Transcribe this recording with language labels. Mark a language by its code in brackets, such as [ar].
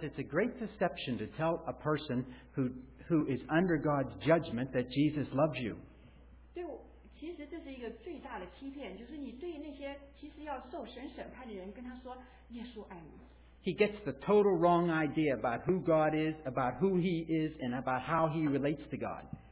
[en] it's a great deception to tell a person who is under God's judgment that Jesus loves you. [zh] 对，其实这是一个最大的欺骗，就是你对那些其实要受神审判的人，跟他说耶稣爱你。 [en] He gets the total wrong idea about who God is, about who He is, and about how He relates to God.